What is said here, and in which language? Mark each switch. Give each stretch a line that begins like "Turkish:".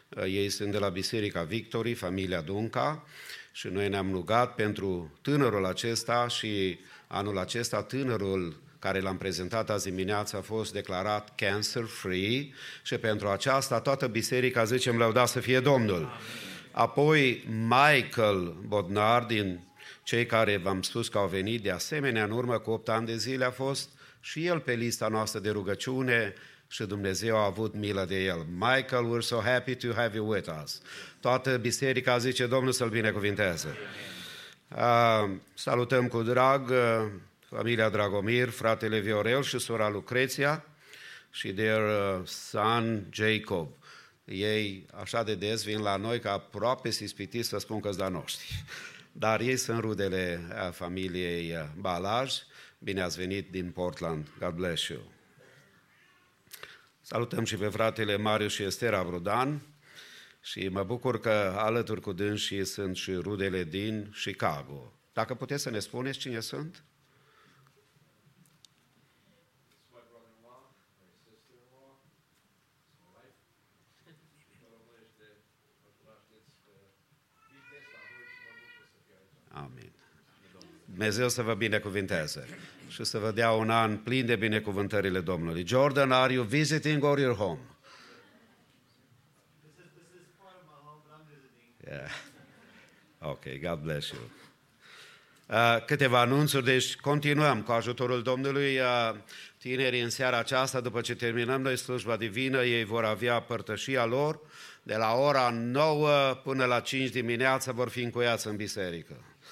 Romanian: Ei sunt de la Biserica Victory, familia Dunca, și noi ne-am rugat pentru tânărul acesta și anul acesta tânărul care l-am prezentat azi dimineață a fost declarat cancer free și pentru aceasta toată biserica zicem lăudat să fie Domnul. Apoi Michael Bodnar, din cei care v-am spus că au venit de asemenea în urmă cu 8 ani de zile, a fost și el pe lista noastră de rugăciune și Dumnezeu a avut milă de el.
English: Michael, we're so happy to have you with us.
Romanian: Toată biserica zice Domnul să-l binecuvinteze. Salutăm cu drag familia Dragomir, fratele Viorel și sora Lucreția și
English: their son Jacob.
Romanian: Ei așa de des vin la noi că aproape s-i spiti să spun că-s la noștri. Dar ei sunt rudele familiei Balaj. Bine ați venit din Portland.
English: God bless you.
Romanian: Salutăm și pe fratele Marius și Estera Vrudan și mă bucur că alături cu dânsii sunt și rudele din Chicago. Dacă puteți să ne spuneți cine sunt? Amin. Dumnezeu să vă binecuvinteze și să vă dea un an plin de binecuvântările Domnului.
English: Jordan, are you visiting or your home? This is part of my home, but I'm visiting. Yeah. Ok, God bless you.
Romanian: Câteva anunțuri, deci continuăm cu ajutorul Domnului. Tinerii în seara aceasta, după ce terminăm noi slujba divină, ei vor avea părtășia lor. De la ora 9 până la 5 dimineața vor fi încuiați în biserică.